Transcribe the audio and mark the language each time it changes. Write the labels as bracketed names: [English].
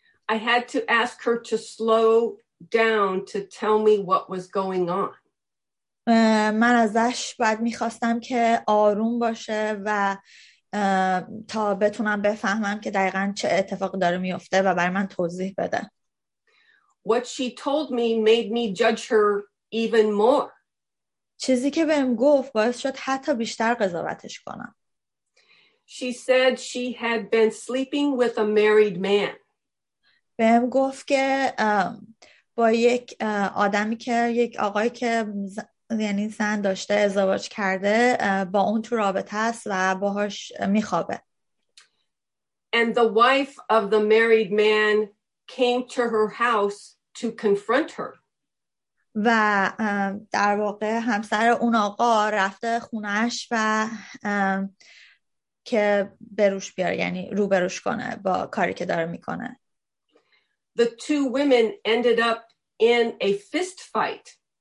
[English] I had to ask her to slow down to tell me what was going on. [Persian] من ازش بعد می‌خواستم که آروم باشه و تا بتونم بفهمم که دقیقاً چه اتفاق داره میفته و برای من توضیح بده. [English] What she told me made me judge her even more. [Persian] چیزی که بهم گفت باعث شد حتی بیشتر قضاوتش کنم. [English] She said she had been sleeping with a married man. [Persian] بهم گفت که با یک آدمی که یک آقایی که یعنی زن داشته ازدواج کرده با اون تو رابطه است و باهاش میخوابه. [English] And the wife of the married man came to her house to confront her. [Persian] و در واقع همسر اون آقا رفته خونش و که بروش بیاره، یعنی روبروش کنه با کاری که داره میکنه. [English] The two women ended up in a fist fight.